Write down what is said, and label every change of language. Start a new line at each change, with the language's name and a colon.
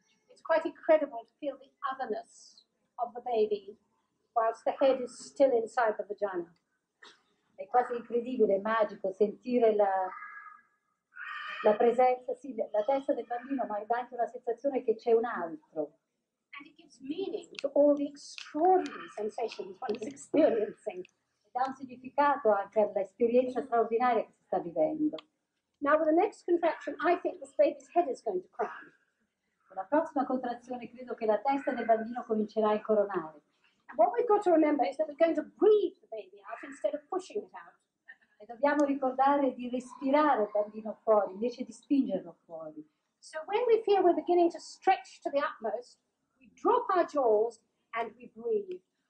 English: It's quite incredible to feel the otherness of the baby whilst the head is still inside the vagina.
Italian: È quasi incredibile, magico sentire la presenza, sì, la testa del bambino, ma è anche una sensazione che c'è un altro.
English: And it gives meaning to all the extraordinary sensations one is experiencing.
Italian: Dà un significato anche all'esperienza straordinaria che si sta vivendo.
English: Now with the next contraction, I think this baby's head is going to crown.
Italian: Con la prossima contrazione credo che la testa del bambino comincerà a incoronare.
English: What we've got to remember is that we're going to breathe the baby out instead of pushing it out.
Italian: E dobbiamo ricordare di respirare il bambino fuori invece di spingerlo fuori.
English: So when we feel we're beginning to stretch to the utmost, we drop our jaws and we breathe.